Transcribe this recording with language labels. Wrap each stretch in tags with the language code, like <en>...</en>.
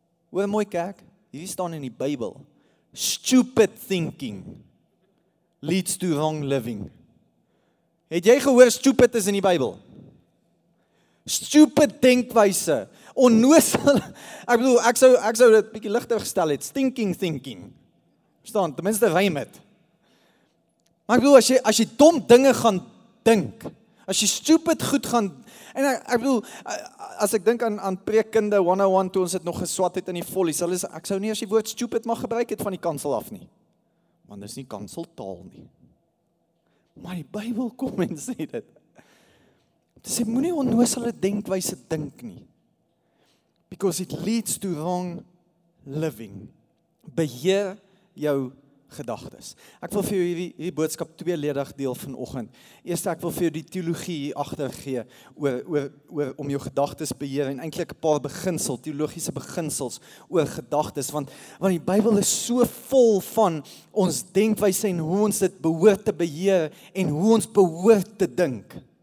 <af>Hoor mooi kerk, hierdie staan in die Bybel.</af> <en>Stupid thinking leads to wrong living.</en> <af>Het jy gehoor stupid is in die Bybel? Stupid denkwyse, onnoosel, ek bedoel, ek sou dit bietjie ligter gestel het,</af> <en>stinking thinking.</en> <af>Verstaan, ten minste rym het. Maar ek bedoel, as jy dom dinge gaan dink, as jy stupid goed gaan, en ek bedoel, as ek dink aan preekkunde 101, toe ons het nog geswat het in die vollies, ek sou nie as die woord stupid mag gebruik het van die kansel af nie. Want dit is nie kanseltaal nie. Maar die Bybel kom en sê dit. Dit sê, moet nie onnoosel denkwyse dink nie.</af> <en>Because it leads to wrong living.</en> <af>Beheer jou gedagtes. Ek wil vir jou hierdie boodskap tweeledig deel vanoggend. Eerst ek wil vir jou die teologie agter gee oor om jou gedagtes beheer en eintlik 'n paar beginsels, teologiese beginsels oor gedagtes, want die Bybel is so vol van ons denkwyse en hoe ons dit behoort te beheer en hoe ons behoort te dink.</af>